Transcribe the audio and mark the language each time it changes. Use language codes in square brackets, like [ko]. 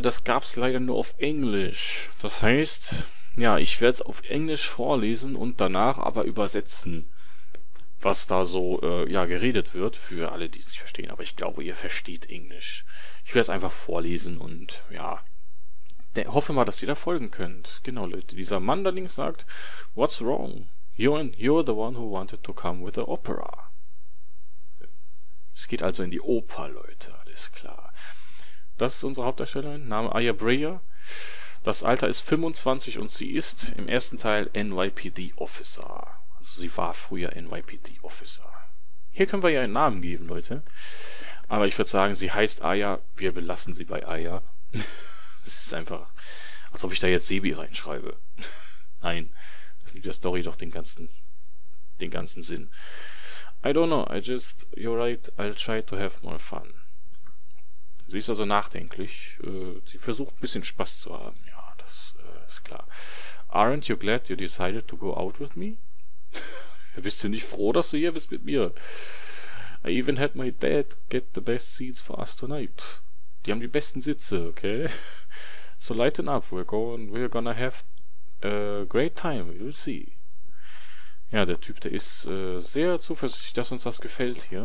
[de] Das gab's leider nur auf Englisch. Das heißt, ja, ich werde es auf Englisch vorlesen und danach aber übersetzen, was da so geredet wird, für alle, die es nicht verstehen. Aber ich glaube, ihr versteht Englisch. Ich werde es einfach vorlesen und ja, hoffe mal, dass ihr da folgen könnt. Genau, Leute. Dieser Mann da links sagt, [en] what's wrong? You're the one who wanted to come with the opera. [de] Es geht also in die Oper, Leute. Alles klar. Das ist unsere Hauptdarstellerin. Name Aya Breyer. Das Alter ist 25 und sie ist im ersten Teil NYPD Officer. Also sie war früher NYPD Officer. Hier können wir ja einen Namen geben, Leute. Aber ich würde sagen, sie heißt Aya. Wir belassen sie bei Aya. Es ist einfach, als ob ich da jetzt Sebi reinschreibe. Nein, das nimmt der Story doch den ganzen Sinn. [en] I don't know, you're right, I'll try to have more fun. [de] Sie ist also nachdenklich. Sie versucht, ein bisschen Spaß zu haben. Ja, das ist klar. [en] Aren't you glad you decided to go out with me? [de] Bist du nicht froh, dass du hier bist mit mir? [en] I even had my dad get the best seats for us tonight. [de] Die haben die besten Sitze, okay? [en] So lighten up. We're gonna have a great time. You'll see. [de] Ja, der Typ, der ist sehr zuversichtlich, dass uns das gefällt hier.